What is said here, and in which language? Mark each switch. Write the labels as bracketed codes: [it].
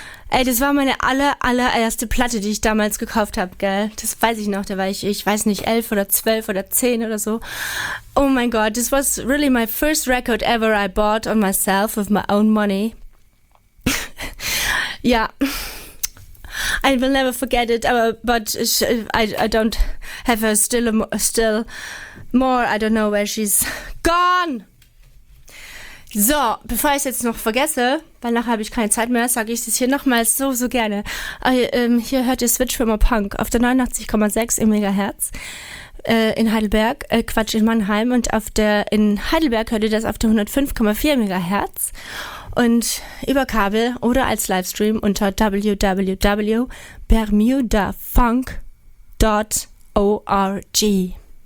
[de] Ey, das war meine allererste Platte, die ich damals gekauft habe, gell? Das weiß ich noch, da war ich weiß nicht, 11 oder 12 oder 10 oder so. Oh mein Gott, [en] this was really my first record ever I bought on myself with my own money. Ja. Yeah. I will never forget it, but I don't have her still more. I don't know where she's gone. [de] So, bevor ich es jetzt noch vergesse, weil nachher habe ich keine Zeit mehr, sage ich es hier nochmals so, so gerne. Hier hört ihr Switch Rimmer Punk auf der 89,6 im Megahertz in Heidelberg, in Mannheim. Und in Heidelberg hört ihr das auf der 105,4 Megahertz und über Kabel oder als Livestream unter www.bermudafunk.org.